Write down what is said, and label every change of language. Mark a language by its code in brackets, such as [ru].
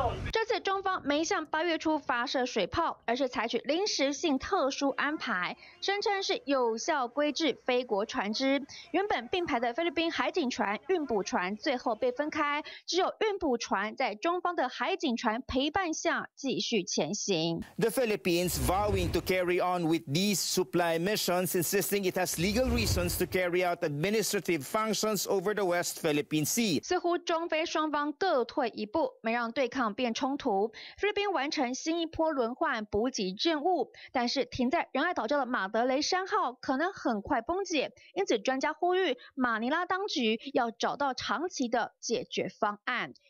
[zh] 这次中方没像8月初发射水炮，而是采取临时性特殊安排，声称是有效规制菲国船只。原本并排的菲律宾海警船、运补船最后被分开，只有运补船在中方的海警船陪伴下继续前行。 [en] The Philippines vowing to carry on with these supply missions, insisting it has legal reasons to carry out administrative functions over the West Philippine Sea。 [zh] 似乎中菲双方各退一步，没让对抗变冲突。菲律宾完成新一波轮换补给任务，但是停在仁爱岛礁的马德雷山号可能很快崩解，因此专家呼吁马尼拉当局要找到长期的解决方案。